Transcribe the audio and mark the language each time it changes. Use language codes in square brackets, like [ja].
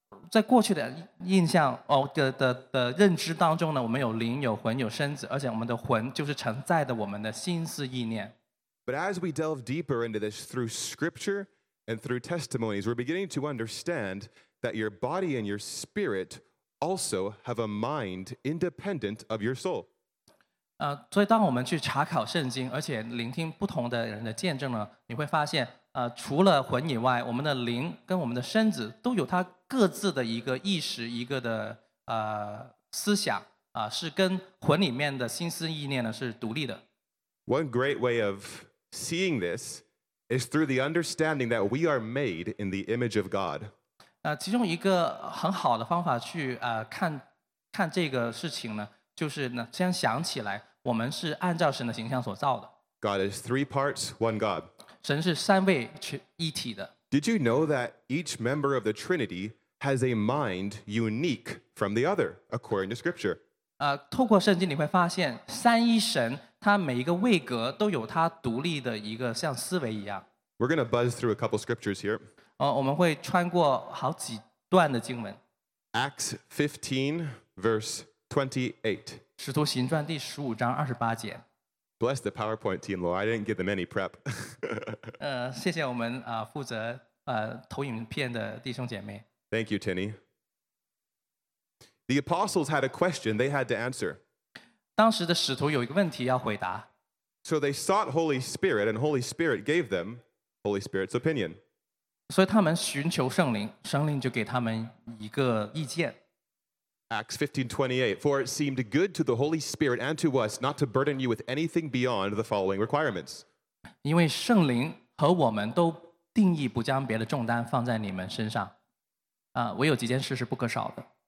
[zh] 在过去的印象的认知当中呢，我们有灵、有魂、有身子，而且我们的魂就是承载的我们的心思意念。 [en] But as we delve deeper into this through scripture and through testimonies, we're beginning to understand that your body and your spirit also have a mind independent of your soul. [zh] 所以当我们去查考圣经，而且聆听不同的人的见证呢，你会发现。除了魂以外，我们的灵跟我们的身子都有它各自的一个意识，一个的思想是跟魂里面的心思意念呢是独立的。 [en] One great way of seeing this is through the understanding that we are made in the image of God. [zh] 其中一个很好的方法去看这个事情呢，就是呢先想起来我们是按照神的形象所造的。 [en] God is three parts, one God. [zh] 神是三位一体的。 [en] Did you know that each member of the Trinity has a mind unique from the other, according to Scripture? [zh] 透过圣经你会发现，三一神他每一个位格都有他独立的一个像思维一样。 [en] We're going to buzz through a couple scriptures here. [zh] 我们会穿过好几段的经文。 [en] Acts 15, verse 28. [zh] 使徒行传第十五章二十八节。 [en] Bless the PowerPoint team, Lord. I didn't give them any prep. [zh] 谢谢我们负责投影片的弟兄姐妹。 [en] Thank you, Tinny. The apostles had a question they had to answer. [zh] 当时的使徒有一个问题要回答。 [en] So they sought Holy Spirit, and Holy Spirit gave them Holy Spirit's opinion. [zh] 所以他们寻求圣灵，圣灵就给他们一个意见。 [en] Acts 15:28, for it seemed good to the Holy Spirit and to us not to burden you with anything beyond the following requirements. [zh] 因为圣灵和我们都定义不将别的重担放在你们身上。唯有几件事是不可少的。